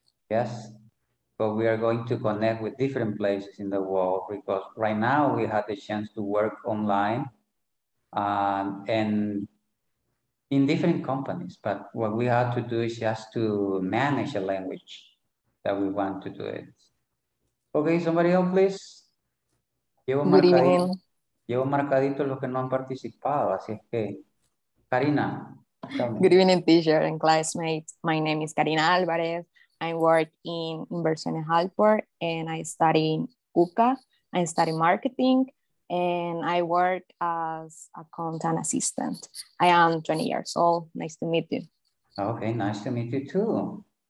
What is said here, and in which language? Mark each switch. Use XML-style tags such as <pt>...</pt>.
<en>Yes, but we are going to connect with different places in the world, because right now we have the chance to work online and in different companies. But what we have to do is just to manage a language that we want to do it. Okay, somebody else, please.</en> <es>Llevo marcadito los que no han participado, así es que, Karina.</es> <en>Good evening, teacher and classmates. My name is Karina Alvarez. I work in Inversiones Halport and I study in UCA. I study marketing and I work as accountant assistant. I am 20 years old. Nice to meet you. Okay, nice to meet you too.</en>